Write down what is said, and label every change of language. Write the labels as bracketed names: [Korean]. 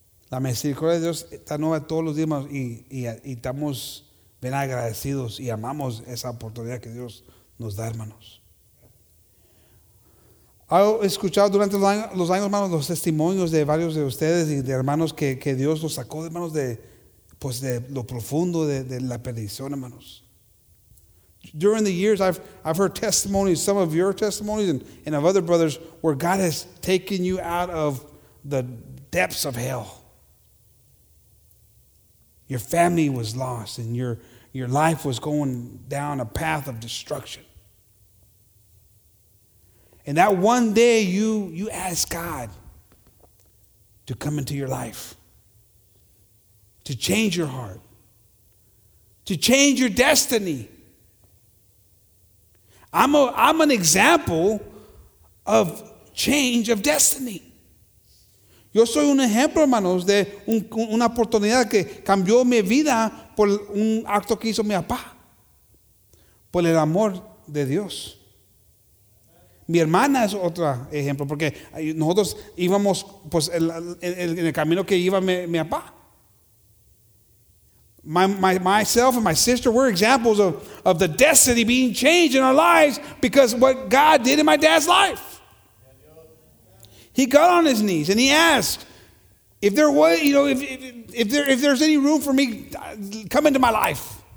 [Spanish] La misericordia de Dios está nueva todos los días y estamos bien agradecidos y amamos esa oportunidad que Dios nos da, hermanos. He escuchado durante los años, hermanos, los testimonios de varios de ustedes y de hermanos que Dios los sacó, hermanos, de pues de lo profundo de la perdición, hermanos. [English] During the years, I've heard testimonies, some of your testimonies and of other brothers, where God has taken you out of the depths of hell. Your family was lost and your life was going down a path of destruction. And that one day you ask God to come into your life, to change your heart, to change your destiny. I'm an example of change of destiny. [Spanish] Yo soy un ejemplo, hermanos, de una oportunidad que cambió mi vida por un acto que hizo mi papá, por el amor de Dios. Mi hermana es otro ejemplo, porque nosotros íbamos pues en el camino que iba mi papá. [English] Myself and my sister were examples of the destiny being changed in our lives because what God did in my dad's life. He got on his knees and he asked, if there was, you know, if there's any room for me, come into my life.